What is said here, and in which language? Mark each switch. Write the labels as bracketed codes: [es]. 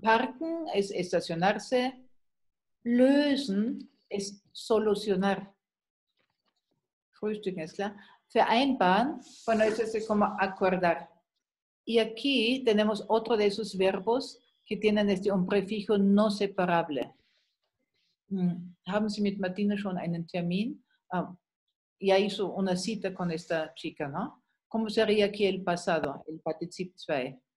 [es] Parken es estacionarse. Lösen es solucionar. Frühstücken, ist klar. Vereinbaren, bueno, eso es como acordar. Y aquí tenemos otro de esos verbos que tienen un prefijo no separable. [de] ¿Haben Sie mit Martina schon einen Termin? [es] Ya hizo una cita con esta chica, ¿no? ¿Cómo sería aquí el pasado, el particip 2?